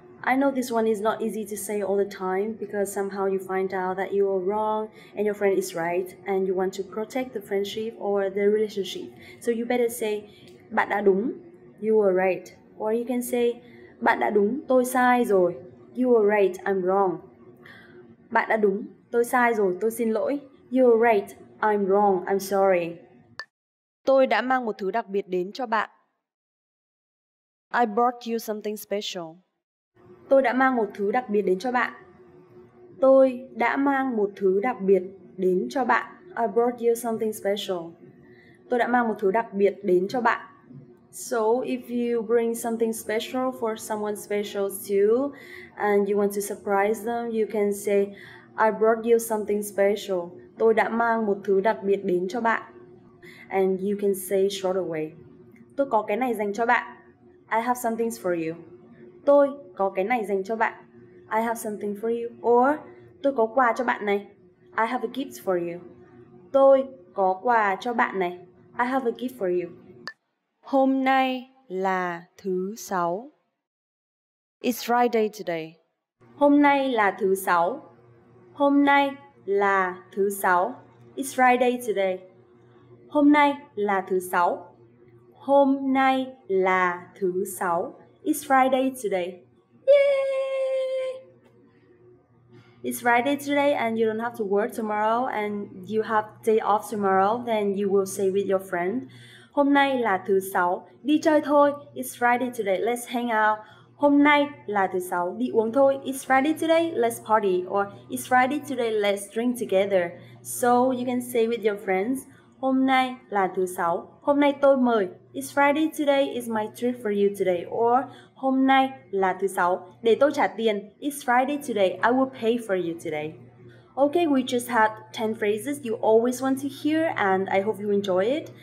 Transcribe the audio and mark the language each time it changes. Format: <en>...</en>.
<en>I know this one is not easy to say all the time because somehow you find out that you are wrong and your friend is right and you want to protect the friendship or the relationship. So you better say,</en> <vi>bạn đã đúng,</vi> <en>you were right. Or you can say,</en> <vi>bạn đã đúng, tôi sai rồi,</vi> <en>you were right, I'm wrong.</en> <vi>Bạn đã đúng, tôi sai rồi, tôi xin lỗi,</vi> <en>you were right, I'm wrong, I'm sorry.</en> <vi>Tôi đã mang một thứ đặc biệt đến cho bạn.</vi> <en>I brought you something special.</en> <vi>Tôi đã mang một thứ đặc biệt đến cho bạn. Tôi đã mang một thứ đặc biệt đến cho bạn.</vi> <en>I brought you something special.</en> <vi>Tôi đã mang một thứ đặc biệt đến cho bạn.</vi> <en>So if you bring something special for someone special too, and you want to surprise them, you can say, I brought you something special.</en> <vi>Tôi đã mang một thứ đặc biệt đến cho bạn.</vi> <en>And you can say straight away,</en> <vi>tôi có cái này dành cho bạn.</vi> <en>I have something for you.</en> <vi>Tôi có cái này dành cho bạn.</vi> <en>I have something for you. Or</en> <vi>tôi có quà cho bạn này.</vi> <en>I have a gift for you.</en> <vi>Tôi có quà cho bạn này.</vi> <en>I have a gift for you.</en> <vi>Hôm nay là thứ sáu.</vi> <en>It's Friday today.</en> <vi>Hôm nay là thứ sáu. Hôm nay là thứ sáu.</vi> <en>It's Friday today.</en> <vi>Hôm nay là thứ sáu. Hôm nay là thứ sáu.</vi> <en>It's Friday today. Yay! It's Friday today and you don't have to work tomorrow and you have day off tomorrow, then you will say with your friend,</en> <vi>hôm nay là thứ sáu, đi chơi thôi,</vi> <en>it's Friday today, let's hang out.</en> <vi>Hôm nay là thứ sáu, đi uống thôi,</vi> <en>it's Friday today, let's party. Or it's Friday today, let's drink together. So you can say with your friends,</en> <vi>hôm nay là thứ sáu, hôm nay tôi mời,</vi> <en>it's Friday today, it's my treat for you today. Or</en> <vi>hôm nay là thứ sáu, để tôi trả tiền,</vi> <en>it's Friday today, I will pay for you today. Okay, we just had 10 phrases you always want to hear and I hope you enjoy it.</en>